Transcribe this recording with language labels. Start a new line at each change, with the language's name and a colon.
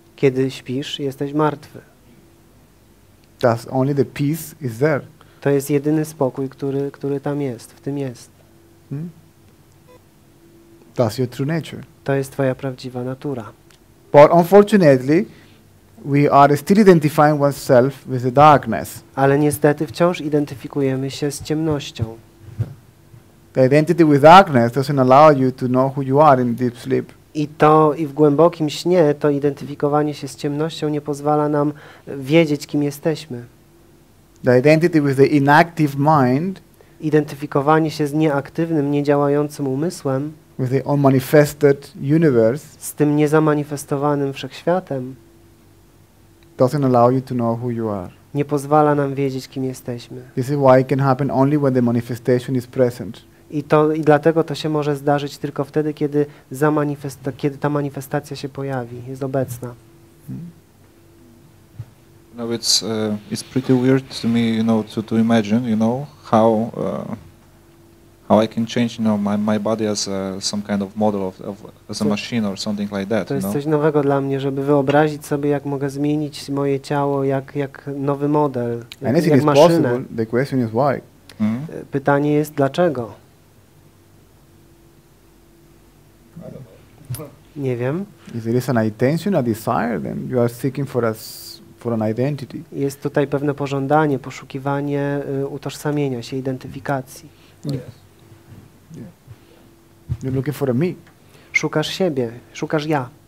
Polish: Kiedy śpisz, jesteś martwy.
English: That's only the peace is there.
Polish: To jest jedyny spokój, który tam jest, w tym jest. Hmm?
English: That's your true nature.
Polish: To jest twoja prawdziwa natura.
English: But unfortunately, we are still identifying oneself with the darkness.
Polish: Ale niestety wciąż identyfikujemy się z ciemnością.
English: The identity with darkness doesn't allow you to know who you are in deep sleep.
Polish: I w głębokim śnie to identyfikowanie się z ciemnością nie pozwala nam wiedzieć, kim jesteśmy.
English: The identity with the inactive mind,
Polish: identyfikowanie się z nieaktywnym, niedziałającym umysłem,
English: with the unmanifested universe,
Polish: z tym niezamanifestowanym wszechświatem,
English: doesn't allow you to know who you are.
Polish: Nie pozwala nam wiedzieć, kim jesteśmy.
English: This is why it can happen only when the manifestation is present.
Polish: I dlatego to się może zdarzyć tylko wtedy, kiedy ta manifestacja się pojawi, jest obecna.
English: You know, it's pretty weird to me, you know, to imagine, you know, how I can change, you know, my body as some kind of model of as a machine or something like that.
Polish: To jest,
English: you know,
Polish: coś nowego dla mnie, żeby wyobrazić sobie, jak mogę zmienić moje ciało jak nowy model, jak maszynę.
English: The question is why. Mm-hmm.
Polish: Pytanie jest dlaczego. Nie wiem.
English: If there is an intention, a desire, then you are seeking for an identity.
Polish: Jest tutaj pewne pożądanie, poszukiwanie utożsamienia się, identyfikacji.
English: Yes. Yeah. You're looking for a me.
Polish: Szukasz siebie, szukasz ja.